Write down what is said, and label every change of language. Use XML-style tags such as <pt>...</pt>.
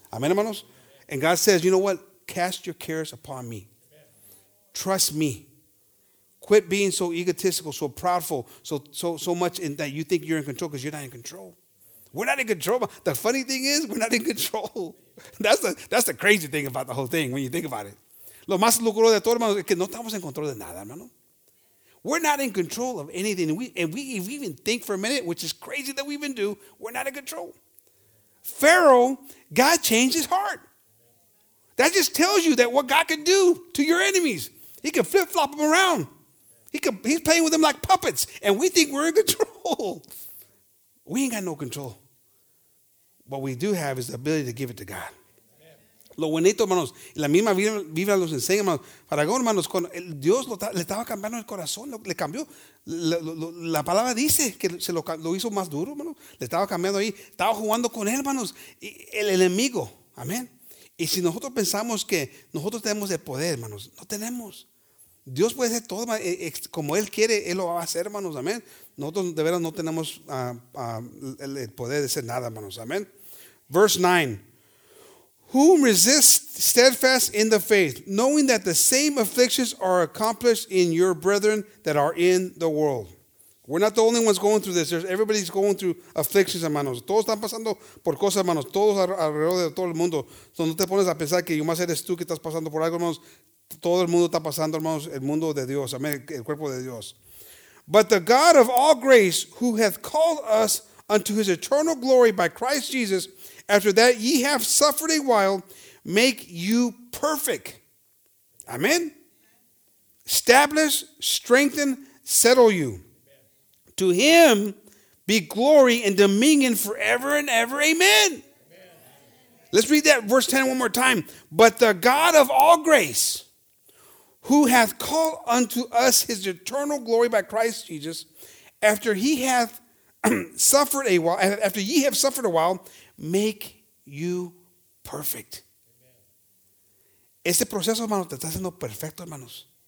<en>Amen, hermanos? And God says, you know what? Cast your cares upon me. Trust me. Quit being so egotistical, so proudful, so much in that you think you're in control because you're not in control. We're not in control. The funny thing is, we're not in control. That's the crazy thing about the whole thing when you think about it.</en> <es>Lo más locuro de todo, hermano, es que no estamos en control de nada, hermano.</es> <en>We're not in control of anything. If we even think for a minute, which is crazy that we even do, we're not in control. Pharaoh, God changed his heart. That just tells you that what God can do to your enemies. He can flip-flop them around. He's playing with them like puppets, and we think we're in control. We ain't got no control. What we do have is the ability to give it to God.</en> <es>Lo bonito, hermanos, la misma Biblia los enseña, hermanos. Para algo, hermanos, cuando Dios le estaba cambiando el corazón, le cambió. La palabra dice que se lo hizo más duro, hermanos. Le estaba cambiando ahí. Estaba jugando con él, hermanos. El enemigo, amén. Y si nosotros pensamos que nosotros tenemos el poder, hermanos, no tenemos. Dios puede hacer todo como Él quiere, Él lo va a hacer, hermanos, amén. Nosotros de veras no tenemos el poder de hacer nada, hermanos, amén.</es> <en>Verse 9. Whom resist steadfast in the faith, knowing that the same afflictions are accomplished in your brethren that are in the world. We're not the only ones going through this. Everybody's going through afflictions,</en> <es>hermanos. Todos están pasando por cosas, hermanos. Todos alrededor de todo el mundo. So no te pones a pensar que más eres tú que estás pasando por algo, hermanos. Todo el mundo está pasando, hermanos. El mundo de Dios. Amén. El cuerpo de Dios.</es> <en>But the God of all grace, who hath called us unto his eternal glory by Christ Jesus, after that ye have suffered a while, make you perfect. Amen. Establish, strengthen, settle you. To him be glory and dominion forever and ever. Amen. Amen. Let's read that verse 10 one more time. But the God of all grace, who hath called unto us his eternal glory by Christ Jesus, after he hath suffered a while, after ye have suffered a while, make you perfect. Amen.</en> <es>Este proceso, hermanos, te está haciendo perfecto, hermanos.</es>